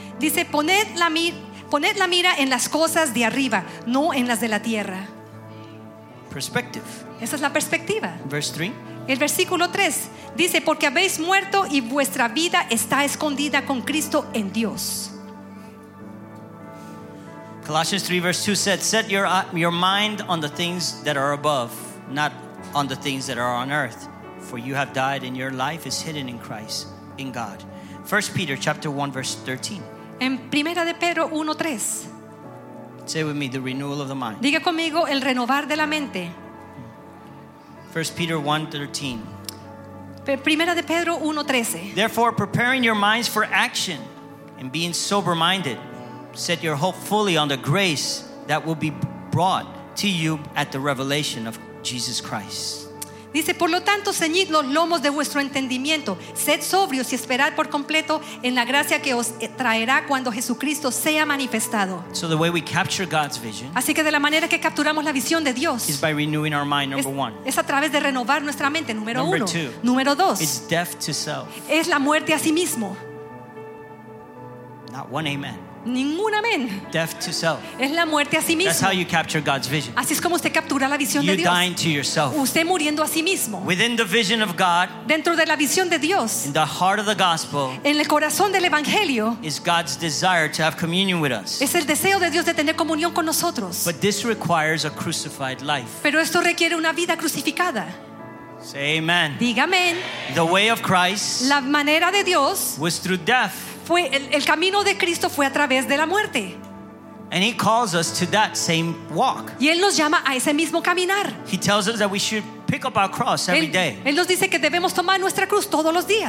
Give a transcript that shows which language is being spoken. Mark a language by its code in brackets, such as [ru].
[es] Dice, poned la mira en las cosas de arriba, no en las de la tierra. [en] Perspective. [es] Esa es la perspectiva. [en] Verse 3. [es] El versículo 3 dice, porque habéis muerto y vuestra vida está escondida con Cristo en Dios. [en] Colossians 3 verse 2 said, set your mind on the things that are above, not on the things that are on earth, for you have died and your life is hidden in Christ, in God. 1 Peter chapter 1 verse 13. [es] En Primera de Pedro 1:3. [en] Say with me, the renewal of the mind. [es] Diga conmigo, el renovar de la mente. [en] 1 Peter 1:13. [es] Primera de Pedro 1:13. [en] Therefore, preparing your minds for action and being sober-minded, set your hope fully on the grace that will be brought to you at the revelation of Jesus Christ. [es] Dice, por lo tanto, ceñid los lomos de vuestro entendimiento, sed sobrios y esperad por completo en la gracia que os traerá cuando Jesucristo sea manifestado. [en] So the way we capture God's vision, [es] así que de la manera que capturamos la visión de Dios, [en] is by renewing our mind, number one. [es] Es a través de renovar nuestra mente, número [en] number [es] uno. [en] Two, [es] número dos, [en] it's death to self. [es] Es la muerte a sí mismo. [en] Not one amen. [es] Ningún amén. [en] Death to self. [es] Es la muerte a sí mismo. [en] That's how you capture God's vision. [es] Así es como usted captura la visión [en] you [es] de Dios. [en] Dying to yourself. [es] Usted muriendo a sí mismo. [en] Within the vision of God. [es] Dentro de la visión de Dios. [en] In the heart of the gospel. [es] En el corazón del evangelio. [en] Is God's desire to have communion with us. [es] Es el deseo de Dios de tener comunión con nosotros. [en] But this requires a crucified life. [es] Pero esto requiere una vida crucificada. [en] Say amen. [es] Diga amén. [en] The way of Christ, [es] la manera de Dios, [en] was through death. [es] Fue el camino de Cristo fue a través de la muerte. [en] And he calls us to that same walk. [es] Y él nos llama a ese mismo caminar. [en] He tells us that we should pick up our cross every day. [es] Él nos dice que debemos tomar nuestra cruz todos los días.